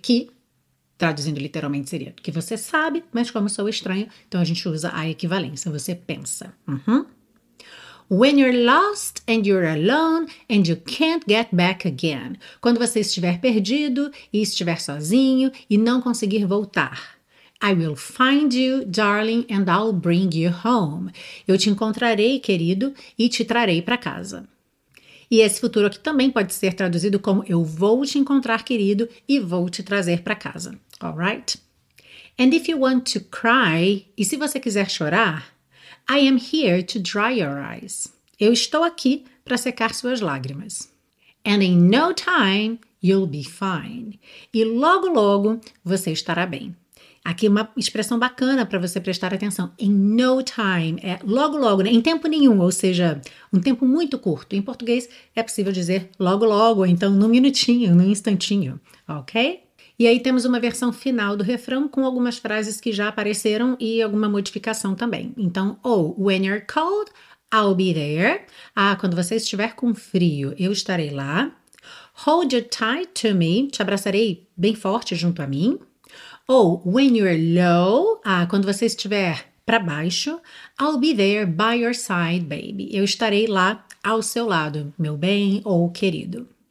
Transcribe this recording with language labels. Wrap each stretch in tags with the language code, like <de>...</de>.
<pt>Que traduzindo literalmente seria que você sabe, mas como sou estranho, então a gente usa a equivalência, você pensa. Uhum.</pt> <en>When you're lost and you're alone and you can't get back again.</en> <pt>Quando você estiver perdido e estiver sozinho e não conseguir voltar.</pt> <en>I will find you, darling, and I'll bring you home.</en> <pt>Eu te encontrarei, querido, e te trarei para casa. E esse futuro aqui também pode ser traduzido como eu vou te encontrar, querido, e vou te trazer para casa. Alright?</pt> <en>And if you want to cry,</en> <pt>e se você quiser chorar,</pt> <en>I am here to dry your eyes.</en> <pt>Eu estou aqui para secar suas lágrimas.</pt> <en>And in no time, you'll be fine.</en> <pt>E logo, logo, você estará bem. Aqui uma expressão bacana para você prestar atenção.</pt> <en>In no time,</en> <pt>é logo, logo, né? Em tempo nenhum, ou seja, um tempo muito curto. Em português, é possível dizer logo, logo, então num minutinho, num instantinho, ok? E aí temos uma versão final do refrão com algumas frases que já apareceram e alguma modificação também.</pt> <en>Então, ou, oh, when you're cold, I'll be there.</en> <pt>Ah, quando você estiver com frio, eu estarei lá.</pt> <en>Hold you tight to me,</en> <pt>te abraçarei bem forte junto a mim.</pt> <en>Ou, oh, when you're low, ah,</en> <pt>quando você estiver para baixo,</pt> <en>I'll be there by your side, baby.</en> <pt>Eu estarei lá ao seu lado, meu bem ou querido.</pt>